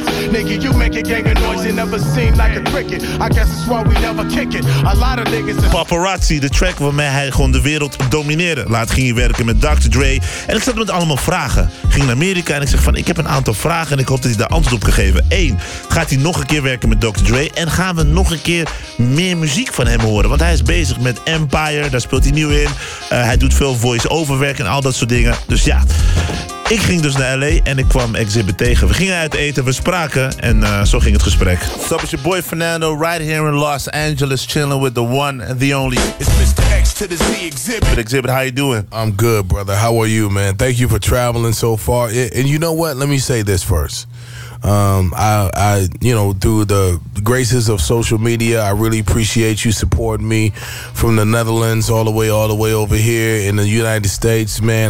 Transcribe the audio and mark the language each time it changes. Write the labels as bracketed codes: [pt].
[en] Nigga, you make a gang of noise you never seen like a cricket. I guess it's why we never kick it. A lot of niggas... [nl] Paparazzi, de track waarmee hij gewoon de wereld domineerde. Laat ging hij werken met Dr. Dre. En ik zat met allemaal vragen. Ging naar Amerika en ik zeg van, ik heb een aantal vragen en ik hoop dat hij daar antwoord op gegeven. 1. Gaat hij nog een keer werken met Dr. Dre? En gaan we nog een keer meer muziek van hem horen? Want hij is bezig met Empire, daar speelt hij nieuw in. Hij doet veel voice-over werk en al dat soort dingen. Dus ja, ik ging dus naar L.A. en ik kwam Xzibit tegen. We gingen uit eten, we spraken en zo ging het gesprek. [en] What's up, it's your boy Fernando, right here in Los Angeles, chilling with the one and the only. It's Mr. X to the Z, Xzibit. Xzibit, how you doing? I'm good, brother. How are you, man? Thank you for traveling so far. And you know what? Let me say this first. I you know, through the graces of social media, I really appreciate you supporting me from the Netherlands all the way over here in the United States, man.